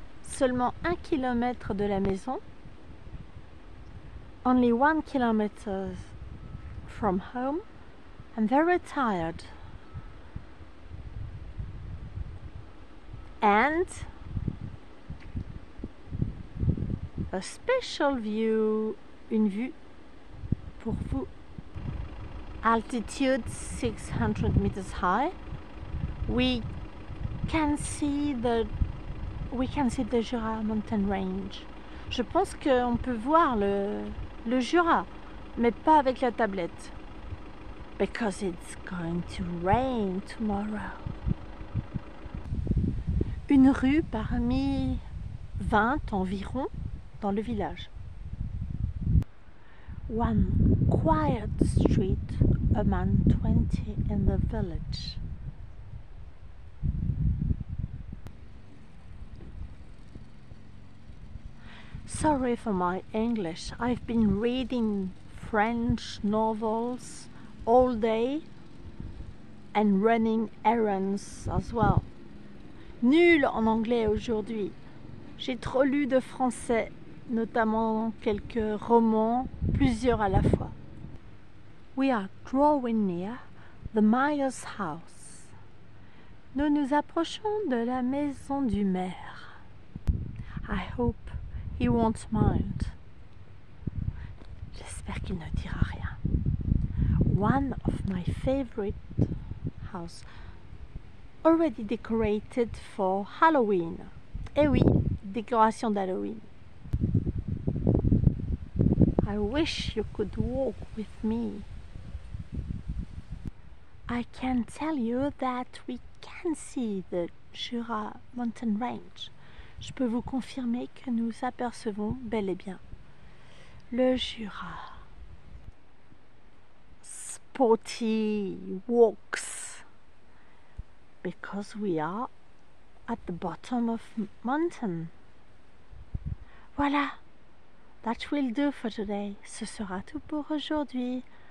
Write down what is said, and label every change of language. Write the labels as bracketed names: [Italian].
[French] Seulement 1 kilomètre de la maison. [English] Only 1 kilometer from home. I'm very tired. And a special view, [French] une vue pour vous. [English] Altitude 600 meters high. We can see the Jura mountain range. [French] Je pense qu'on peut voir le Jura, mais pas avec la tablette. [English] Because it's going to rain tomorrow. [French] Une rue parmi 20 environ dans le village. [English] One quiet street among 20 in the village. Sorry for my English. I've been reading French novels all day and running errands as well. [French] Nul en anglais aujourd'hui. J'ai trop lu de français, notamment quelques romans, plusieurs à la fois. [English] We are drawing near the mayor's house. [French] Nous nous approchons de la maison du maire. [English] I hope he won't mind. [French] J'espère qu'il ne dira rien. [English] One of my favorite house. Already decorated for Halloween. [French] Eh oui, décoration d'Halloween. [English] I wish you could walk with me. I can tell you that we can see the Jura mountain range. [French] Je peux vous confirmer que nous apercevons bel et bien le Jura. [English] Sporty walks. Because we are at the bottom of mountain. Voilà, that will do for today. [French] Ce sera tout pour aujourd'hui.